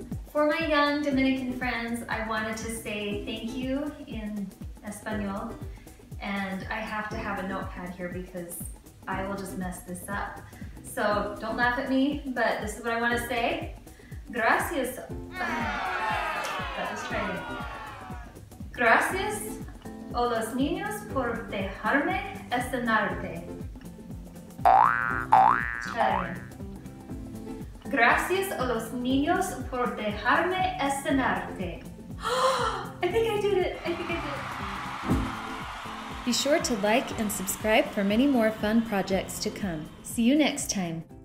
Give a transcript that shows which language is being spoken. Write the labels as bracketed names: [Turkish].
[English] For my young Dominican friends, I wanted to say thank you in Espanol, and I have to have a notepad here because I will just mess this up. So don't laugh at me, but this is what I want to say. Gracias. That was training. [Spanish] Gracias a los niños por dejarme estrenarte. Gracias a los niños por dejarme estrenarte. [English] I think I did it. Be sure to like and subscribe for many more fun projects to come. See you next time.